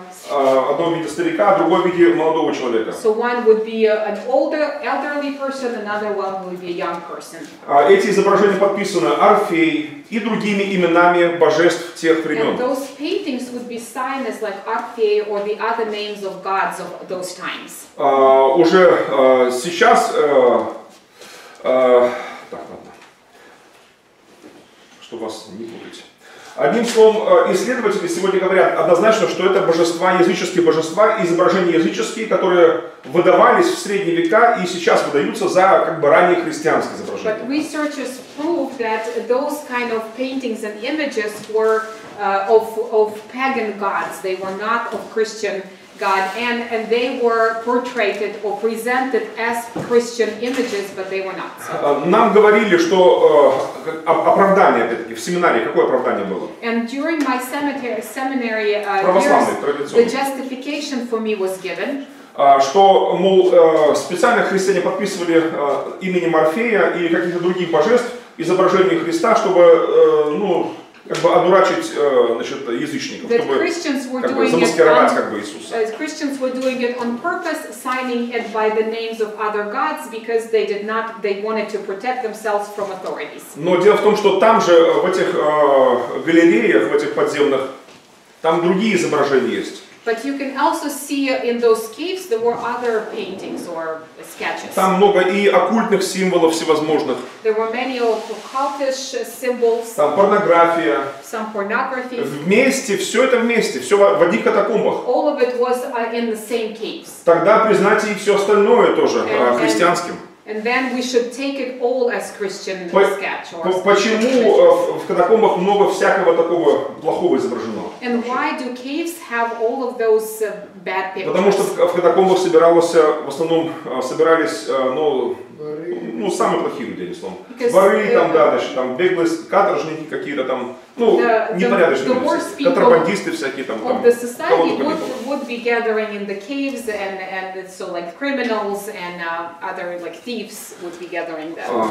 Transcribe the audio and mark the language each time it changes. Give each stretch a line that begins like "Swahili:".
Russian: одно в виде старика, другое в виде молодого человека.
English: So one would be an older elderly person, another one would be a young person.
Russian: Эти изображения подписаны Орфей и другими именами божеств тех времен.
English: And those paintings would be signed as like Orphei or the other names of gods of those times.
Russian: Уже сейчас так, ладно. Чтобы вас не путать. Одним словом, исследователи сегодня говорят однозначно, что это божества, языческие божества, изображения языческие, которые выдавались в средние века и сейчас выдаются за как бы ранние христианские изображения.
English: But researchers prove that those kind of paintings and images were of pagan gods. They were not of Christian God, and they were portrayed or presented as Christian images, but they were not.
Russian: Нам говорили, что оправдание, опять-таки, в семинарии, какое оправдание было?
English: And during my seminary years, the justification for me was given.
Russian: Что, мол, специально христиане подписывали имени Морфея и каких-то других божеств, изображение Христа, чтобы, ну, как бы одурачить, значит, язычников,
English: that
Russian: чтобы замаскировать, как бы, Иисуса.
English: Christians were doing it on purpose, signing it by the names of other gods, because they did not, they wanted to protect themselves from authorities.
Russian: Но дело в том, что там же, в этих галереях, в этих подземных, там другие изображения есть.
English: But you can also see in those caves there were other paintings or sketches.
Russian: Там много и оккультных символов всевозможных.
English: There were many occultish symbols.
Russian: Там порнография.
English: Some pornography.
Russian: Вместе, все это вместе, все в одних катакомбах.
English: All of it was in the same caves.
Russian: Тогда признайте и все остальное тоже христианским.
English: And then we should take it all as Christian sketch.
Russian: Почему в катакомбах много всякого такого плохого изображено?
English: And why do caves have all of those bad pictures?
Russian: Потому что в катакомбах собирался в основном собирались, ну самые плохие люди, словом. Воры там, да, значит, там беглые каторжники какие-то там, ну, непорядочные люди, контрабандисты всякие там.
English: Of the society would be gathering in the caves and so like criminals and other like thieves would be gathering there.